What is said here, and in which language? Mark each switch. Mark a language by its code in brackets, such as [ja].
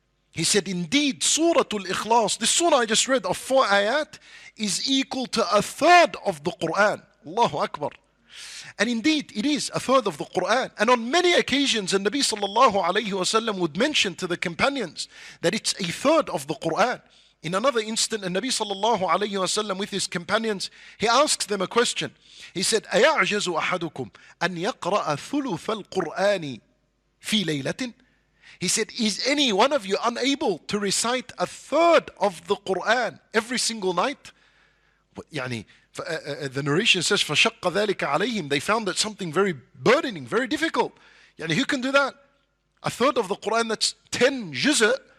[en] He said, indeed, Surah Al-Ikhlas, this surah I just read of four ayat, is equal to a third of the Qur'an. Allahu Akbar. And indeed, it is a third of the Qur'an. And on many occasions, the Nabi sallallahu alayhi wa sallam would mention to the companions that it's a third of the Qur'an. In another instant, the Nabi sallallahu alayhi wa sallam with his companions, he asks them a question. He said, [ar] أَيَعْجَزُ أَحَدُكُمْ أَنْ يَقْرَأَ ثُلُثَ الْقُرْآنِ فِي لَيْلَةٍ. [en] He said, is any one of you unable to recite a third of the Qur'an every single night? يعني, the narration says, [ar] فَشَقَّ ذَلِكَ عَلَيْهِمْ, [en] they found that something very burdening, very difficult. يعني, who can do that? A third of the Qur'an, that's 10 juz'a,